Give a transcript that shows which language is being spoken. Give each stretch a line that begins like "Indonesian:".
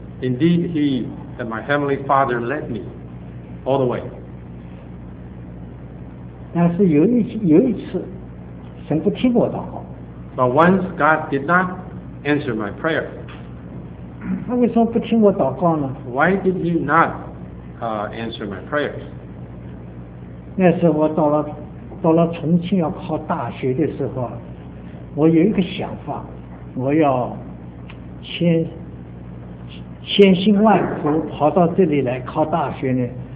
English: Indeed, he and my heavenly father led me all the way.
Chinese: 但是有一次，神不听我祷告。
English: But once God did not answer my prayer.
Chinese: 他为什么不听我祷告呢？
English: Why did he not answer my prayers?
Chinese: 那时候我到了重庆要考大学的时候，我有一个想法，我要千辛万苦跑到这里来考大学呢。